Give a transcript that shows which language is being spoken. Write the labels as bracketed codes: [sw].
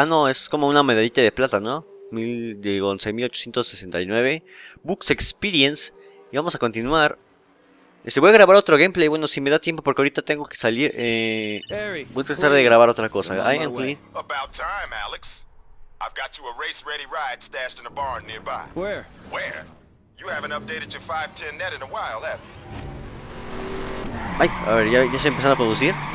[es] Ah, no, es como una medallita de plata, ¿no? 11.869 Books Experience. Y vamos a continuar. Voy a grabar otro gameplay, bueno, si me da tiempo, porque ahorita tengo que salir. Voy a tratar de grabar otra cosa. [en] I am clean. About time, Alex. I've got you a race ready ride stashed in a barn nearby. Where? You haven't updated your 510 net in a while, have you? [es] Ay, a ver, ya se empezaron a producir.